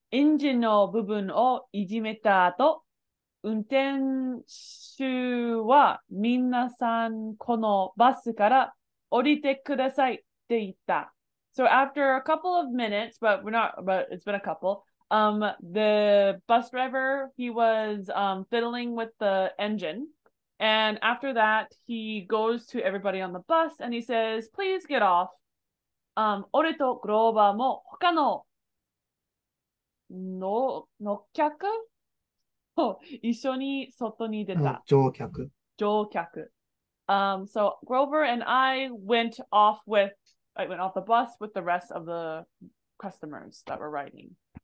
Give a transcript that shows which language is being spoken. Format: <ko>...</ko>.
<ja>エンジンの部分をいじめた後、運転手は皆さんこのバスから降りてくださいって言った。</ja> <en>So after a couple of minutes, but it's been a couple, the bus driver, he was fiddling with the engine. And after that, he goes to everybody on the bus and he says, please get off.</en> <ja>俺とグローバーも他のの乗客を一緒に外に出た。乗客。</ja> <en>So Grover and I went off the bus with the rest of the customers that were riding.</en>